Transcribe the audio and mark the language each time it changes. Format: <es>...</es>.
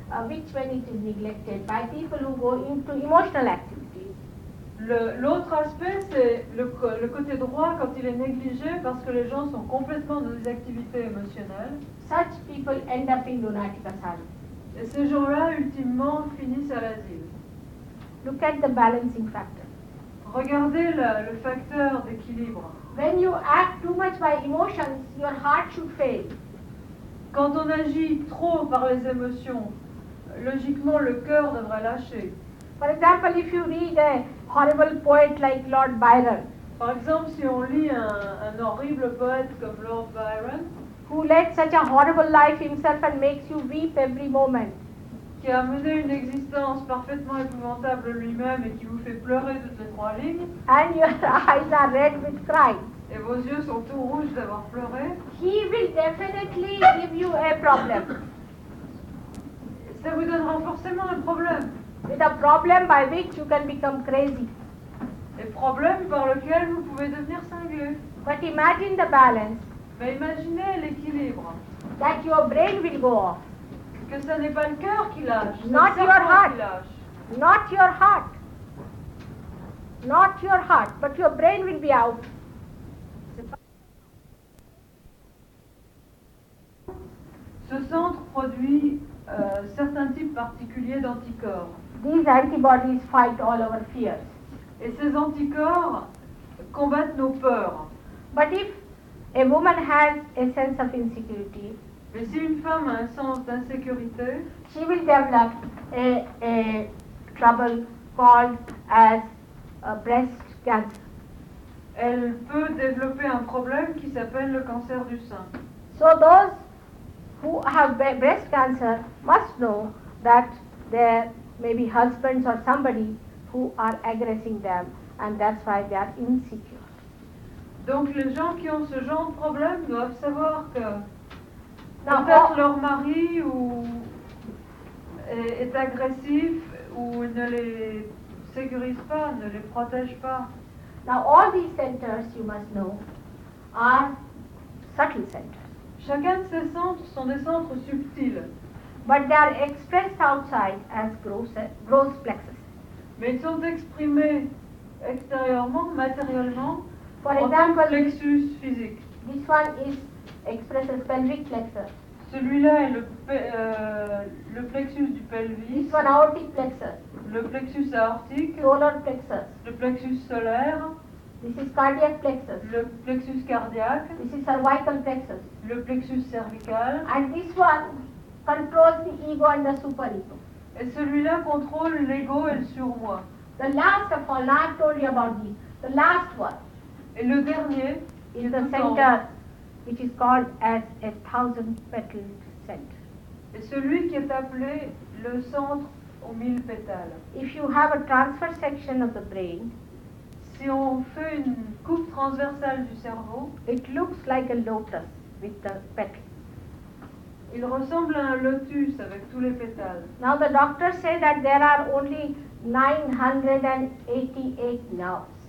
<en>Which when it is neglected by people who go into emotional activities.</en> <fr>L'autre aspect, c'est le côté droit quand il est négligé parce que les gens sont complètement dans des activités émotionnelles.</fr> <en>Such people end up in lunatic asylum.</en> <fr>Et ces gens-là, ultimement, finissent à l'asile.</fr> <en>Look at the balancing factor.</en> <fr>Regardez le facteur d'équilibre.</fr> <en>When you act too much by emotions, your heart should fail.</en> <fr>Quand on agit trop par les émotions, logiquement, le cœur devrait lâcher.</fr> <en>For example, if you read a horrible poet like Lord Byron.</en> <fr>Par exemple, si on lit un horrible poète comme Lord Byron,</fr> <en>who led such a horrible life himself and makes you weep every moment.</en> <fr>Qui a mené une existence parfaitement épouvantable lui-même et qui vous fait pleurer toutes les trois lignes.</fr> <en>And your eyes are red with crying.</en> <fr>Et vos yeux sont tout rouges d'avoir pleuré.</fr> <en>He will definitely give you a problem.</en> <fr>Ça vous donnera forcément un problème.</fr> <en>With a problem by which you can become crazy.</en> <fr>Un problème par lequel vous pouvez devenir cinglé.</fr> <en>But imagine the balance.</en> <fr>Mais imaginez l'équilibre.</fr> <en>That your brain will go off.</en> <fr>Que ce n'est pas le cœur qui lâche.</fr> <en>Not your heart. Not your heart. Not your heart, but your brain will be out.</en> <fr>Ce centre produit certains types particuliers d'anticorps.</fr> <en>These antibodies fight all our fears.</en> <fr>Et ces anticorps combattent nos peurs.</fr> <en>But if a woman has a sense of insecurity,</en> <fr>mais si une femme a un sens d'insécurité,</fr> <en>she will develop a trouble called as a breast cancer.</en> <fr>Elle peut développer un problème qui s'appelle le cancer du sein.</fr> <en>So those who have breast cancer must know that there may be husbands or somebody who are aggressing them and that's why they are insecure.</en> <fr>Donc les gens qui ont ce genre de problème doivent savoir que now, peut-être leur mari ou est agressif ou ne les sécurise pas, ne les protège pas.</fr> <en>Now all these centers, you must know, are subtle centers.</en> <fr>Chacun de ces centres sont des centres subtils.</fr> <en>But they are expressed outside as gross plexus.</en> <fr>Mais ils sont exprimés extérieurement, matériellement,</fr> <en>for</en> <fr>en</fr> <en>example,</en> <fr>tant que plexus physique.</fr> <en>This one is expressed as pelvic plexus.</en> <fr>Celui-là est le plexus du pelvis.</fr> <en>This one aortic plexus.</en> <fr>Le plexus aortique.</fr> <en>Solar plexus.</en> <fr>Le plexus solaire.</fr> <en>This is cardiac plexus.</en> <fr>Le plexus cardiaque.</fr> <en>This is cervical plexus.</en> <fr>Le plexus cervical.</fr> <en>And this one controls the ego and the superego.</en> <fr>Et celui-là contrôle l'ego et le surmoi.</fr> <en>The last of all, I've told you about this. The last one.</en> <fr>Et le dernier</fr> <en>is the center, which is called as a thousand petal center.</en> <fr>Et celui qui est appelé le centre aux mille pétales.</fr> <en>If you have a transverse section of the brain.</en> <fr>si on fait une coupe transversale du cerveau,</fr> <en>it looks like a lotus with the petals.</en> <fr>Il ressemble à un lotus avec tous les pétales.</fr> <en>Now the doctors say that there are only 988 nerves.</en>